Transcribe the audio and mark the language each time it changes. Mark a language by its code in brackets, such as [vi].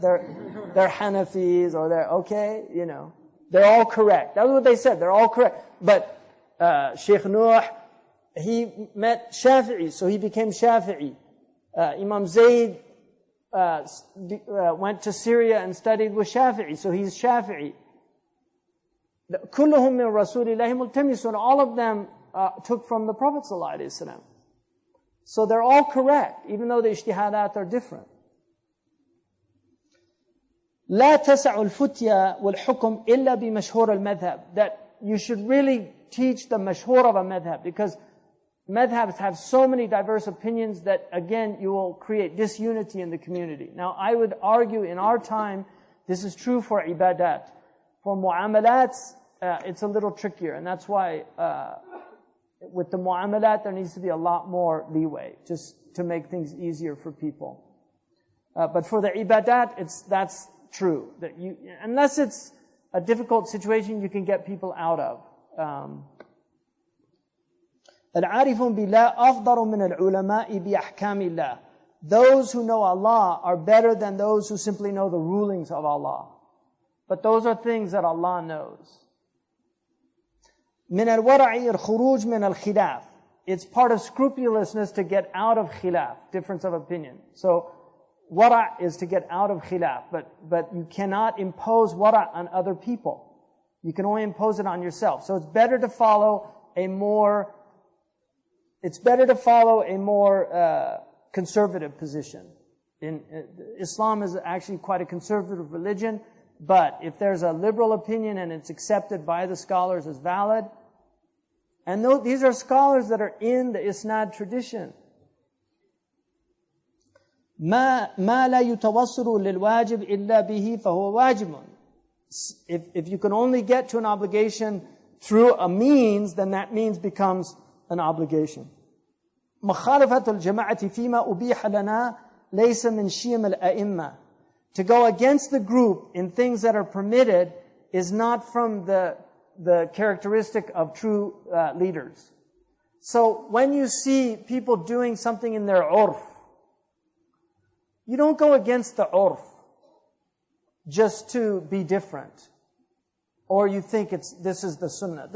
[en] They're Hanafis, or they're okay, you know. They're all correct. That's what they said. They're all correct. But Sheikh Nuh, he met Shafi'i, so he became Shafi'i. Imam Zayd went to Syria and studied with Shafi'i, so he's Shafi'i. [ar] كلهم من رسول الله ملتمسون. [en] All of them took from the Prophet sallallahu alaihi wasallam. So they're all correct, even though the ijtihadat are different. [ar] لا تسع الفتية والحكم إلا بمشهور المذهب. [en] That you should really teach the mashhur of a madhab, because madhabs have so many diverse opinions that, again, you will create disunity in the community. Now, I would argue in our time, this is true for ibadat. For mu'amalats, it's a little trickier, and that's why with the mu'amalat, there needs to be a lot more leeway, just to make things easier for people. But for the ibadat, that's true. That you, unless it's a difficult situation, you can get people out of. [ar] العارفون بلا أفضل من العلماء بأحكام الله. [en] Those who know Allah are better than those who simply know the rulings of Allah. But those are things that Allah knows. [ar] من الورع الخروج من الخلاف. [en] It's part of scrupulousness to get out of khilaf, difference of opinion. So, ورع is to get out of khilaf, but you cannot impose ورع on other people. You can only impose it on yourself. So it's better to follow a more conservative position. Islam is actually quite a conservative religion, but if there's a liberal opinion and it's accepted by the scholars as valid, and these are scholars that are in the Isnad tradition. [ar] ما لا يتوصل للواجب إلا به فهو واجب. [en] If you can only get to an obligation through a means, then that means becomes an obligation. [ar] مخالفة الجماعة فيما أبيح لنا ليس من شيم الأئمة. [en] To go against the group in things that are permitted is not from the characteristic of true leaders. So when you see people doing something in their urf, you don't go against the urf just to be different, or you think this is the sunnah.